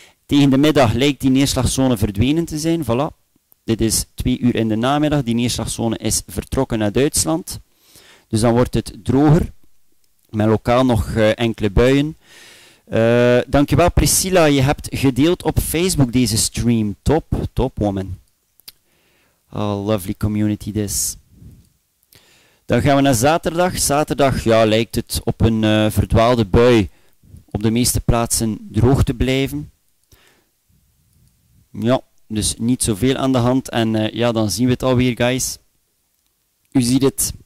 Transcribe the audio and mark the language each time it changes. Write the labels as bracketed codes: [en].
[nl] Tegen de middag lijkt die neerslagzone verdwenen te zijn. Voilà. Dit is 2 uur in de namiddag. Die neerslagzone is vertrokken naar Duitsland. Dus dan wordt het droger. Met lokaal nog enkele buien. Dankjewel Priscilla. Je hebt gedeeld op Facebook deze stream. [en] Top, top woman. A lovely community this. [nl] Dan gaan we naar zaterdag. Zaterdag lijkt het op een verdwaalde bui. Op de meeste plaatsen droog te blijven. Ja. Dus niet zoveel aan de hand. En dan zien we het alweer, guys. U ziet het.